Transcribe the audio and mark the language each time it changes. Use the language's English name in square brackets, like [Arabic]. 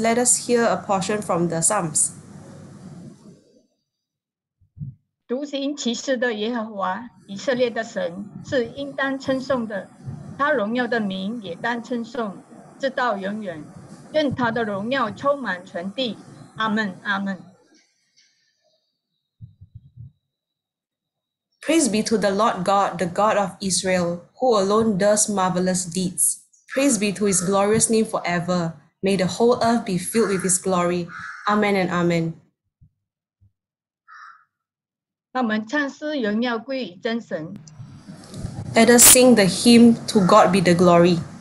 [English] Let us hear a portion from the Psalms. [Chinese] 独行其事的耶和华，以色列的神，是应当称颂的，他荣耀的名也当称颂，直到永远。愿他的荣耀充满全地，阿们，阿们。 [English] Praise be to the Lord God, the God of Israel, who alone does marvelous deeds. Praise be to his glorious name forever. May the whole earth be filled with his glory. Amen and amen. [Chinese] 让我们唱诗荣耀归于真神。 [English] Let us sing the hymn to God be the glory.